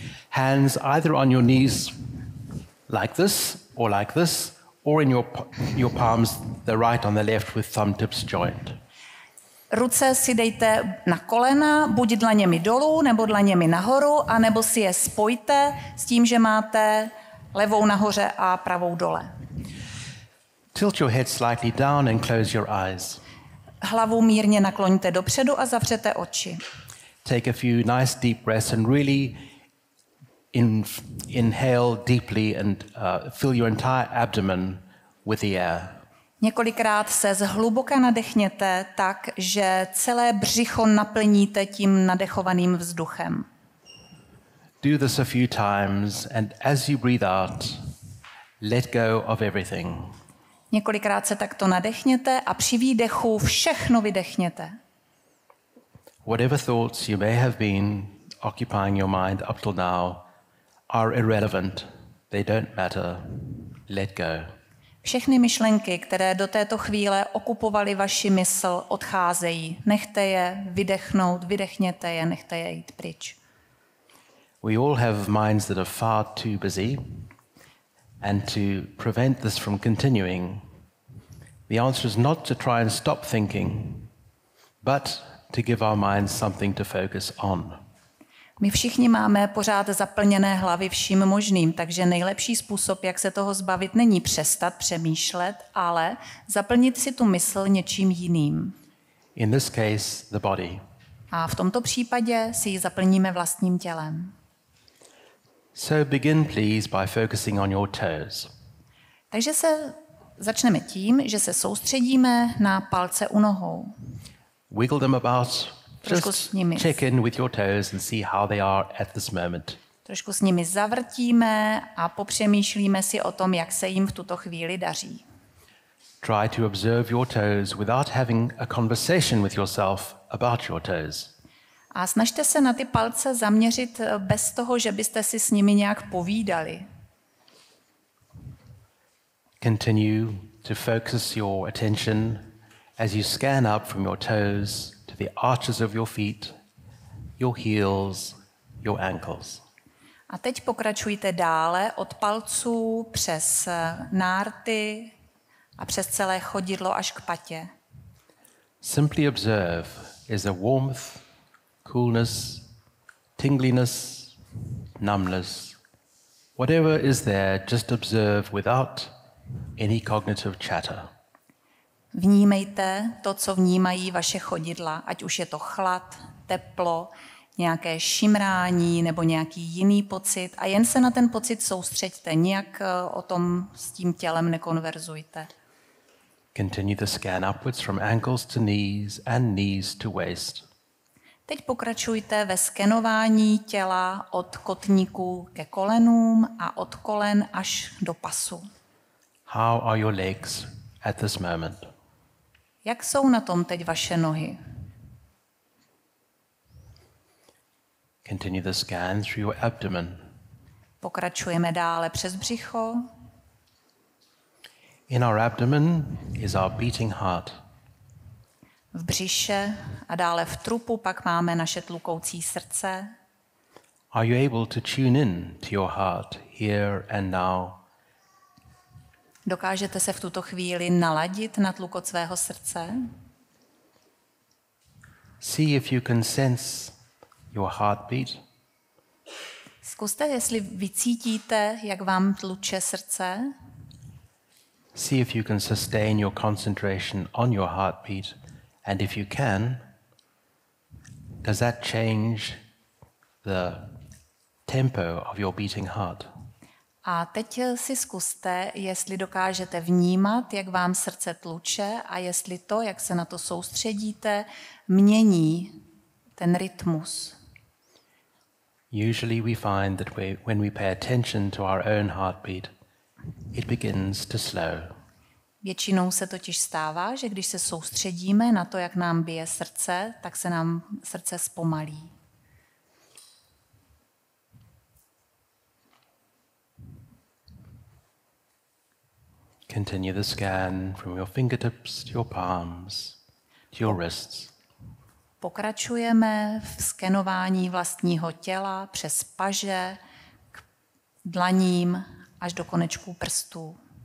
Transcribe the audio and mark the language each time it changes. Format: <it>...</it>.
<en>Hands either on your knees like this, or in your palms, the right on the left with thumb tips joined.</en> <cs>Ruce si dejte na kolena, buď dlaněmi dolů, nebo dlaněmi nahoru, anebo si je spojte s tím, že máte levou nahoře a pravou dole.</cs> <en>Tilt your head slightly down and close your eyes.</en> <cs>Hlavu mírně nakloňte dopředu a zavřete oči.</cs> <en>Take a few nice deep breaths and really inhale deeply and fill your entire abdomen with the air.</en> <cs>Několikrát se zhluboka nadechněte tak, že celé břicho naplníte tím nadechovaným vzduchem.</cs> <en>Do this a few times and as you breathe out, let go of everything.</en> <cs>Několikrát se takto nadechněte a při výdechu všechno vydechněte.</cs> <en>Whatever thoughts you may have been occupying your mind up till now are irrelevant. They don't matter. Let go.</en> <cs>Všechny myšlenky, které do této chvíle okupovaly vaši mysl, odcházejí. Nechte je vydechnout, vydechněte je, nechte je jít pryč.</cs> <en>We all have minds that are far too busy. And to prevent this from continuing, the answer is not to try and stop thinking, but to give our minds something to focus on.</en> <cs>My všichni máme pořád zaplněné hlavy vším možným, takže nejlepší způsob, jak se toho zbavit, není přestat přemýšlet, ale zaplnit si tu mysl něčím jiným.</cs> <en>In this case, the body.</en> <cs>A v tomto případě si ji zaplníme vlastním tělem.</cs> <en>So begin please by focusing on your toes.</en> <cs>Takže se začneme tím, že se soustředíme na palce u nohou.</cs> <en>Wiggle them about. Just check in with your toes and see how they are at this moment.</en> <cs>Trošku s nimi zavrtíme a popřemýšlíme si o tom, jak se jim v tuto chvíli daří.</cs> <en>Try to observe your toes without having a conversation with yourself about your toes.</en> <cs>A snažte se na ty palce zaměřit bez toho, že byste si s nimi nějak povídali.</cs> <en>Continue to focus your attention as you scan up from your toes to the arches of your feet, your heels, your ankles.</en> <cs>A teď pokračujte dále od palců přes nárty a přes celé chodidlo až k patě.</cs> <en>Simply observe is a warmth, coolness, tingliness, numbness. Whatever is there, just observe without any cognitive chatter.</en> <cs>Vnímejte to, co vnímají vaše chodidla, ať už je to chlad, teplo, nějaké šimrání nebo nějaký jiný pocit, a jen se na ten pocit soustřeďte, nijak o tom s tím tělem nekonverzujte.</cs> <en>Continue the scan upwards from ankles to knees and knees to waist.</en> <cs>Teď pokračujte ve skenování těla od kotníků ke kolenům a od kolen až do pasu.</cs> <en>How are your legs at this moment?</en> <cs>Jak jsou na tom teď vaše nohy?</cs> <en>Continue the scan through your abdomen.</en> <cs>Pokračujeme dále přes břicho.</cs> <en>In our abdomen is our beating heart.</en> <cs>V břiše a dále v trupu pak máme naše tlukoucí srdce.</cs> <en>Are you able to tune in to your heart here and now?</en> <cs>Dokážete se v tuto chvíli naladit na tlukot svého srdce?</cs> <en>See if you can sense your heartbeat.</en> <cs>Zkuste, jestli vycítíte, jak vám tluče srdce.</cs> <en>See if you can sustain your concentration on your heartbeat. And if you can, does that change the tempo of your beating heart?</en> <cs>A teď si zkuste, jestli dokážete vnímat, jak vám srdce tluče, a jestli to, jak se na to soustředíte, mění ten rytmus.</cs> <en>Usually we find that when we pay attention to our own heartbeat, it begins to slow.</en> <cs>Většinou se totiž stává, že když se soustředíme na to, jak nám bije srdce, tak se nám srdce zpomalí.</cs> <en>Continue the scan from your fingertips to your palms to your wrists.</en> <cs>Pokračujeme v skenování vlastního těla přes paže k dlaním až do konečků prstů.</cs>